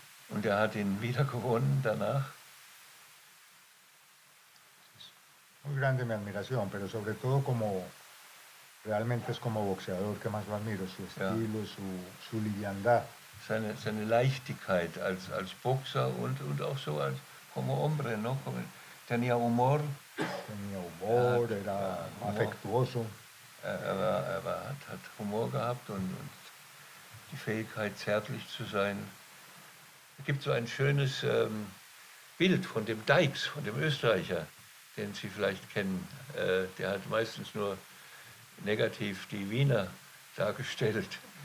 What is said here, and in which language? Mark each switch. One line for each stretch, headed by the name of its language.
German: Und er hat ihn wieder gewonnen danach.
Spanish: Muy grande mi admiración, pero sobre todo como realmente es como boxeador que más lo admiro, su estilo, su liviandad.
German: Seine Leichtigkeit als Boxer und auch so als
Spanish: como hombre, ¿no? Tenía humor. Tenía humor, era afectuoso.
German: Er hat Humor gehabt und die Fähigkeit, zärtlich zu sein. Es gibt so ein schönes Bild von dem Dykes, von dem Österreicher, den Sie vielleicht kennen. Der hat meistens nur negativ die Wiener dargestellt.